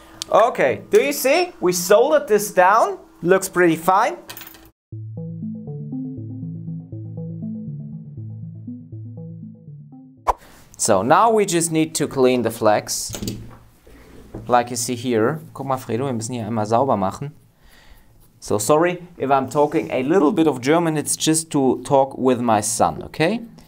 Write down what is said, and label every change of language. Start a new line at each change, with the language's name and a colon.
English: Okay, do you see? We soldered this down. Looks pretty fine. So now we just need to clean the flex, like you see here.
German: Guck mal, Fredo, wir müssen hier einmal sauber machen.
English: So sorry if I'm talking a little bit of German, it's just to talk with my son, okay?